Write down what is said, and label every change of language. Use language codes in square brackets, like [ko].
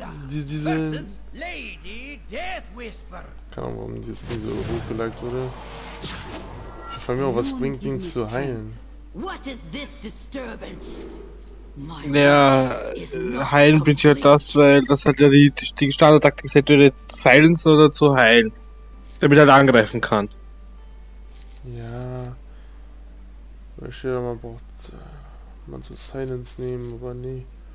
[de] Diese... Lady Death Whisper. Keine Ahnung, warum dieses Ding so hochgeliked wurde. Ich frage mich auch, was bringt ihn zu heilen? [en] What is this disturbance? [de] Naja, heilen bringt ja das, weil das hat ja die Standardtaktik gesagt, entweder jetzt zu silence oder zu heilen. Damit er angreifen kann. Ja. Ich stelle, man braucht. Man soll Silence nehmen, aber nee.